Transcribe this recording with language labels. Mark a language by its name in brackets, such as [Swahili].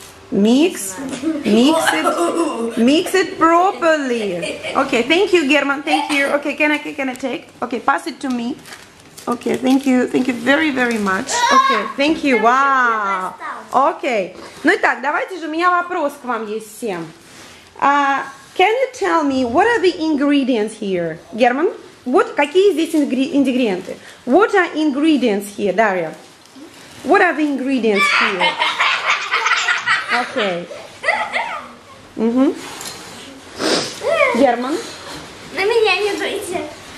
[English] Mix it properly. Okay, thank you, German, thank you. Okay, can I take? Okay, pass it to me. Okay, thank you very, very much. Okay, thank you, wow. Окей. [Russian] Ну и так, давайте же, у меня вопрос к вам есть всем. [English] Can you tell me, what are the ingredients here? [Russian] Герман, какие здесь ингредиенты? [English] What are ingredients here, Дарья? What are the ingredients here? Окей. Угу. Герман? [Russian] На меня не дуйте.